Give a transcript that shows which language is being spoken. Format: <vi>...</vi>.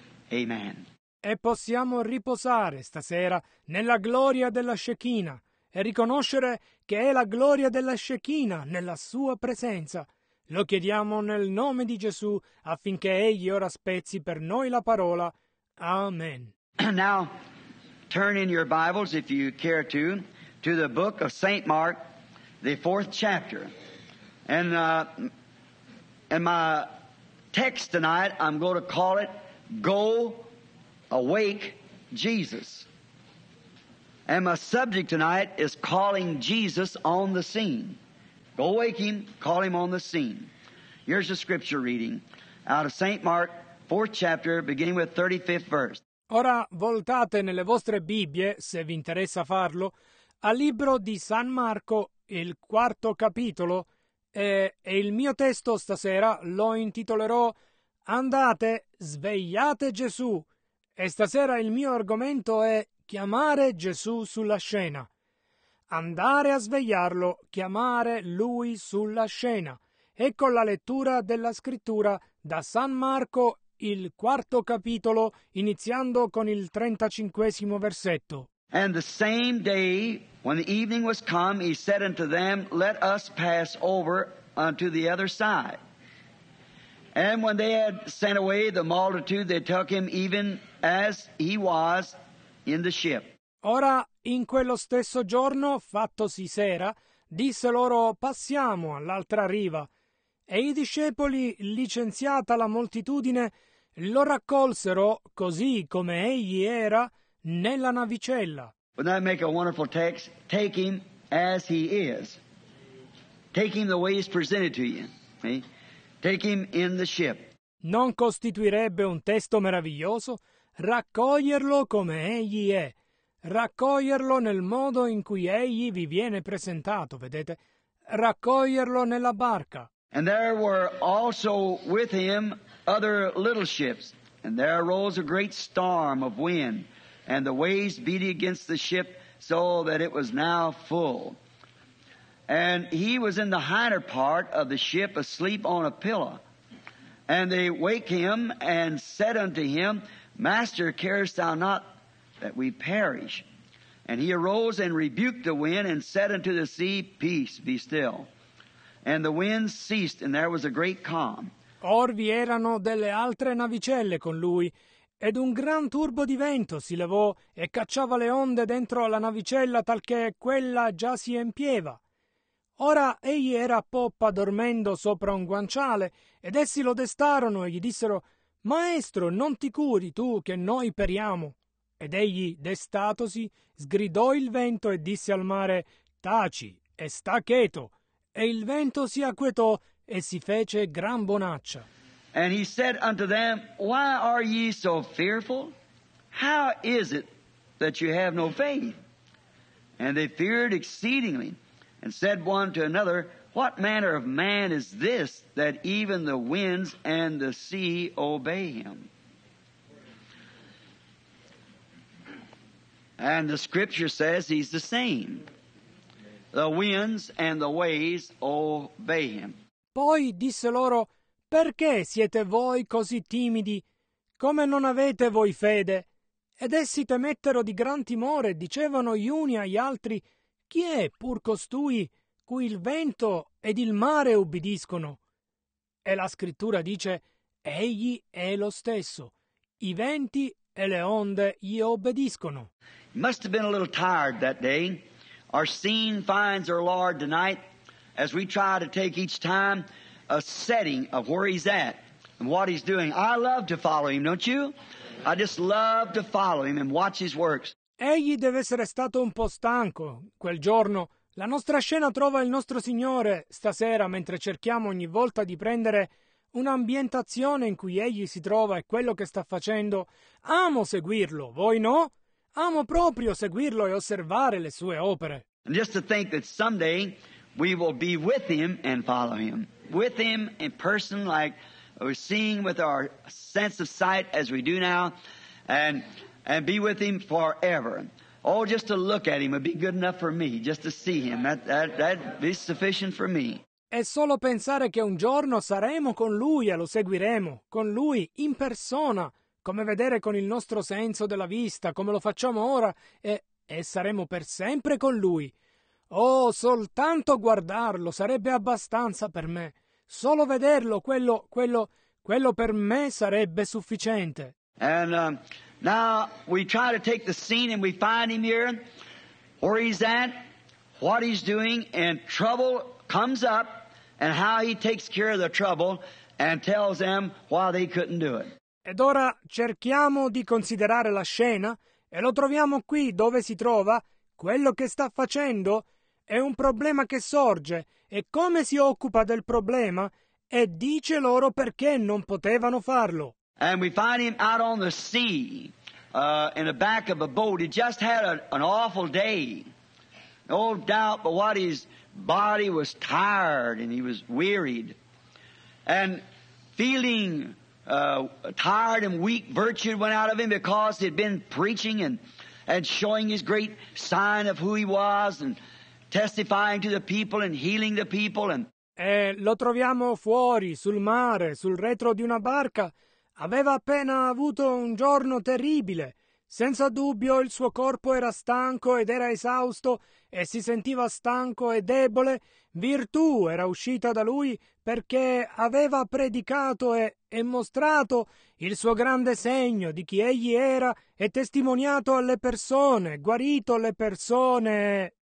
<it>Amen. E possiamo riposare stasera nella gloria della Shekinah e riconoscere che è la gloria della Shekinah nella Sua presenza. Lo chiediamo nel nome di Gesù affinché Egli ora spezzi per noi la parola. Amen.</it> <en>Now, turn in your Bibles, if you care to the book of St. Mark, the fourth chapter. And my text tonight, I'm going to call it, Go Awake Jesus. And my subject tonight is calling Jesus on the scene. Go wake Him, call Him on the scene. Here's a scripture reading out of St. Mark, fourth chapter, beginning with 35th verse.</en> <it>Ora voltate nelle vostre Bibbie, se vi interessa farlo, al libro di San Marco, il quarto capitolo, e il mio testo stasera lo intitolerò Andate, svegliate Gesù. E stasera il mio argomento è chiamare Gesù sulla scena. Andare a svegliarlo, chiamare Lui sulla scena. Ecco la lettura della scrittura da San Marco, il quarto capitolo, iniziando con il 35° versetto.</it> <en>And the same day, when the evening was come, he said unto them, Let us pass over unto the other side. And when they had sent away the multitude, they took him even as he was in the ship.</en> <it>Ora, in quello stesso giorno, fattosi sera, disse loro, Passiamo all'altra riva. E i discepoli, licenziata la moltitudine, lo raccolsero, così come egli era, nella navicella.</it> <en>Wouldn't that make a wonderful text? Take him as he is. Take him the way he's presented to you. See? Take him in the ship.</en> <it>Non costituirebbe un testo meraviglioso? Raccoglierlo come egli è. Raccoglierlo nel modo in cui egli vi viene presentato, vedete? Raccoglierlo nella barca.</it> <en>And there were also with him other little ships, and there arose a great storm of wind, and the waves beat against the ship, so that it was now full. And he was in the hinder part of the ship, asleep on a pillow. And they wake him, and said unto him, Master, carest thou not that we perish? And he arose and rebuked the wind, and said unto the sea, Peace, be still. And the wind ceased, and there was a great calm.</en> <it>Or vi erano delle altre navicelle con lui, ed un gran turbo di vento si levò e cacciava le onde dentro alla navicella talché quella già si empieva. Ora egli era a poppa dormendo sopra un guanciale, ed essi lo destarono e gli dissero, Maestro, non ti curi tu che noi periamo. Ed egli, destatosi, sgridò il vento e disse al mare, Taci e sta cheto. E il vento si acquietò e si fece gran bonaccia.</it> <en>And he said unto them, Why are ye so fearful? How is it that you have no faith? And they feared exceedingly, and said one to another, What manner of man is this, that even the winds and the sea obey him? And the scripture says he's the same. The winds and the waves obey him.</en> <it>Poi disse loro, Perché siete voi così timidi? Come non avete voi fede? Ed essi temettero di gran timore, dicevano gli uni agli altri, Chi è pur costui cui il vento ed il mare ubbidiscono? E la scrittura dice, Egli è lo stesso. I venti e le onde gli obbediscono.</it> <en>Must have been a little tired that day. Our scene finds our Lord tonight as we try to take each time a setting of where he's at and what he's doing. I love to follow him, don't you? I just love to follow him and watch his works.</en> <it>Egli deve essere stato un po' stanco quel giorno. La nostra scena trova il nostro Signore stasera mentre cerchiamo ogni volta di prendere un'ambientazione in cui egli si trova e quello che sta facendo. Amo seguirlo, voi no? Amo proprio seguirlo e osservare le sue opere.</it> <en>And just to think that someday we will be with him and follow him. With him in person, like we're seeing with our sense of sight as we do now, and be with him forever. Oh, just to look at him would be good enough for me, just to see him. That'd be sufficient for me.</en> <it>È solo pensare che un giorno saremo con lui e lo seguiremo, con lui, in persona, come vedere con il nostro senso della vista, come lo facciamo ora, e saremo per sempre con lui. Oh, soltanto guardarlo sarebbe abbastanza per me. Solo vederlo, quello per me sarebbe sufficiente.</it> <en>And now we try to take the scene and we find him here, where he's at, what he's doing, and trouble comes up, and how he takes care of the trouble, and tells them why they couldn't do it.</en> <it>Ed ora cerchiamo di considerare la scena, e lo troviamo qui dove si trova, quello che sta facendo, è un problema che sorge, e come si occupa del problema, e dice loro perché non potevano farlo.</it> <en>And we find him out on the sea, in the back of a boat. He just had an awful day. No doubt but what his body was tired and he was wearied. And feeling tired and weak, virtue went out of him because he'd been preaching and showing his great sign of who he was and testifying to the people and healing the people.</en> <it>E lo troviamo fuori, sul mare, sul retro di una barca. Aveva appena avuto un giorno terribile. Senza dubbio il suo corpo era stanco ed era esausto e si sentiva stanco e debole. Virtù era uscita da lui perché aveva predicato e mostrato il suo grande segno di chi egli era e testimoniato alle persone, guarito le persone.</it>